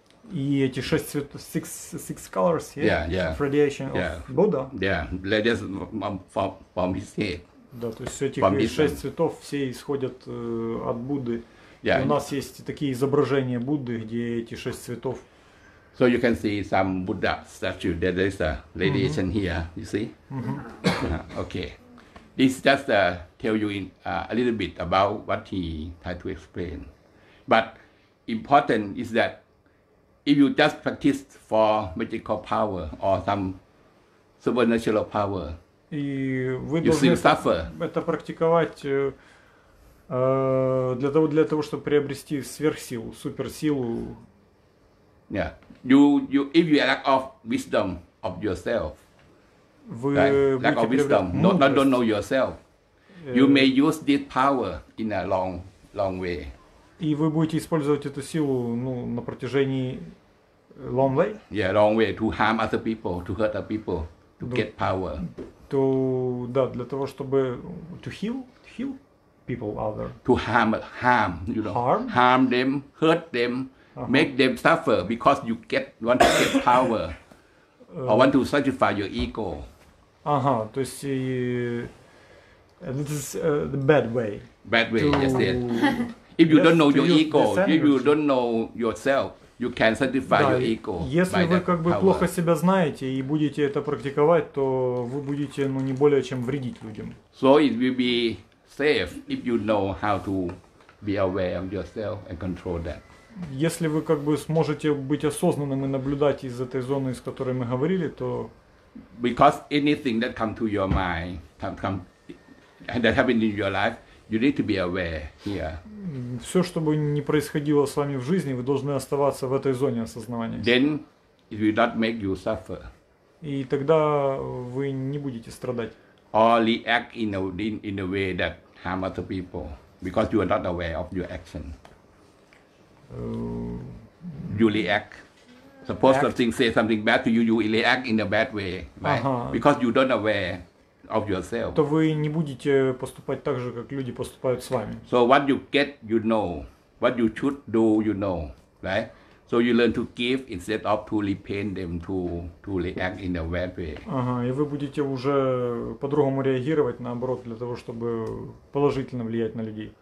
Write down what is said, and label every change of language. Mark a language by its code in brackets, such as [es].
[ru] И эти шесть цветов, [en] six colors, yeah? Yeah, yeah. Radiation of Buddha. Yeah, radiation from his head. [ru] Да, то есть этих шесть цветов все исходят от Будды. [en] Yeah. [ru] И у нас есть такие изображения Будды, где эти шесть цветов. [en] So you can see some Buddha statue. There is a radiation here, you see? Okay. This just tell you in, a little bit about what he tried to explain. But important is that if you just practice for magical power or some supernatural power, you still suffer. [ru] Это практиковать для того, чтобы приобрести сверхсилу, суперсилу. [en] Yeah. You if you lack of wisdom of yourself, [ru] вы [en] lack of wisdom, don't know yourself, you may use this power in a long way. [ru] И вы будете использовать эту силу, ну, на протяжении [en] long way? Yeah, long way to harm other people, to hurt other people, to get power. To [ru] да, для того чтобы [en] to heal, people other. To harm, you know. Harm? Harm them, hurt them, make them suffer because you want to get power. Or want to satisfy your ego. [ru] То есть [en] this is the bad way. Bad way, to, yes, yes. If you don't know your ego, if you don't know yourself, you can satisfy your ego. [ru] Если вы как бы плохо себя знаете и будете это практиковать, то вы будете, ну, не более чем вредить людям. [en] So it will be safe if you know how to be aware of yourself and control that. [ru] Если вы как бы сможете быть осознанным и наблюдать из этой зоны, из которой мы говорили, то [en] because anything that come to your mind, come and that happened in your life, you need to be aware here. [ru] Все, что бы ни происходило с вами в жизни, вы должны оставаться в этой зоне осознавания. [en] Then it will not make you suffer. [ru] И тогда вы не будете страдать. [en] Or react in a way that harm other people because you are not aware of your action. You react. Suppose something say something bad to you, you react in a bad way, right? Because you don't aware of yourself. [ru] То вы не будете поступать так же, как люди поступают с вами. [en] So what you get, you know. What you should do, you know, right? So you learn to give instead of to repay them, to react in a bad way. [ru] И вы будете уже по-другому реагировать, наоборот, для того, чтобы положительно влиять на людей.